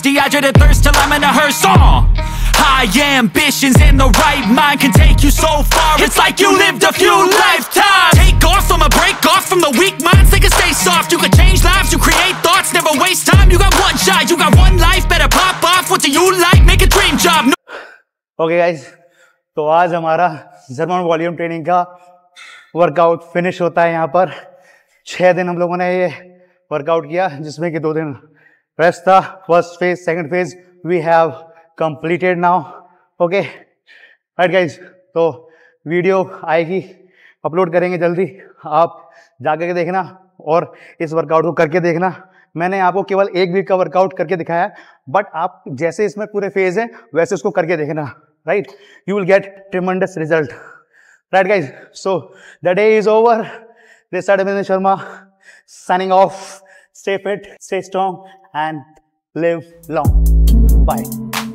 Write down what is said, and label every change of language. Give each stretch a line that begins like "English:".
English: Dehydrated thirst till I'm in a hearse. High ambitions and the right mind can take you so far. It's like you lived a few lifetimes. Take off, I'ma break off from the weak minds. They can stay soft, you can change lives, you create thoughts. Never waste time, you got one shot, you got one life. Better pop off, what do you like? Make a dream job. Okay guys,
Hindi: तो आज हमारा German volume training का workout finish होता है यहाँ पर. 6 दिन हम लोगों ने ये workout किया, जिसमें कि 2 दिन rest था.
English: First phase, second phase, we have completed now. Okay, right guys, so
Hindi: video आएगी अपलोड करेंगे जल्दी, आप जाकर के देखना और इस वर्कआउट को करके देखना। मैंने आपको केवल एक वीक का वर्कआउट करके दिखाया, बट आप जैसे इसमें पूरे फेज हैं वैसे उसको करके देखना,
English: Right, you will get tremendous result, right guys. So the day is over, this is Abhinandan Sharma signing off, stay fit, stay strong and live long, bye.